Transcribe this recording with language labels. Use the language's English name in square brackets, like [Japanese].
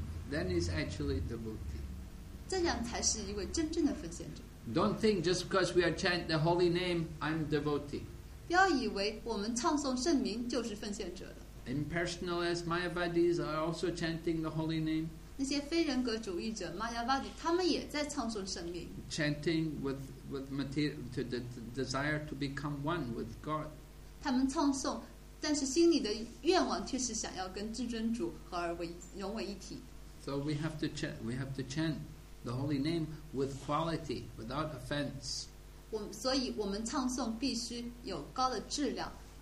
[English] Then he's actually devotee. [Chinese] 这样才是一位真正的奉献者。 [English] Don't think just because we are chanting the holy name, I'm devotee. [Chinese] 不要以为我们唱诵圣名就是奉献者了。 [English] Impersonalists, Mayavadis are also chanting the holy name. [Chinese] 那些非人格主义者 Mayavadi， 他们也在唱诵圣名。 [English] Chanting with material to the desire to become one with God. [Chinese] 他们唱诵，但是心里的愿望却是想要跟至尊主合而为融为一体。 [English] So we have to chant the holy name with quality, without offense. [Chinese] 所以我们唱诵必须有高的质量。